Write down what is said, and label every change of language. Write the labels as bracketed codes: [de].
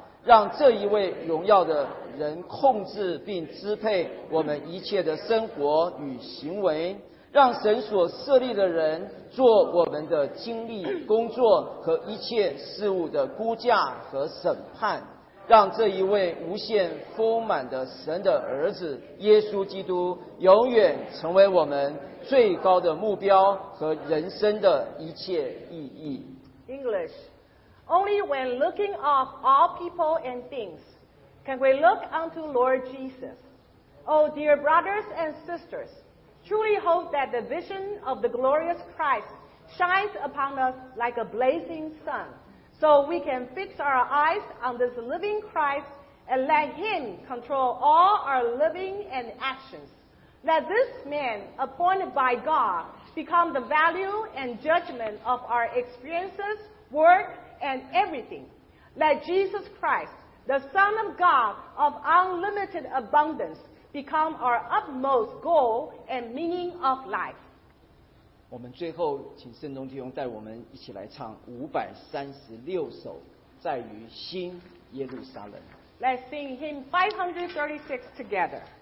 [zh] 让这一位荣耀的人控制并支配我们一切的生活与行为，让神所设立的人做我们的经历、工作和一切事物的估价和审判，让这一位无限丰满的神的儿子耶稣基督永远成为我们最高的目标和人生的一切意义。 [en] English. Only when looking off all people and things can we look unto Lord Jesus. Oh, dear brothers and sisters, truly hope that the vision of the glorious Christ shines upon us like a blazing sun, so we can fix our eyes on this living Christ and let Him control all our living and actions. Let this man, appointed by God, become the value and judgment of our experiences, work,and everything. Let Jesus Christ, the Son of God of unlimited abundance, become our utmost goal and meaning of life. [zh] 我们最后请圣中弟兄带我们一起来唱536首在于新耶路撒冷。 [en] Let's sing hymn 536 together.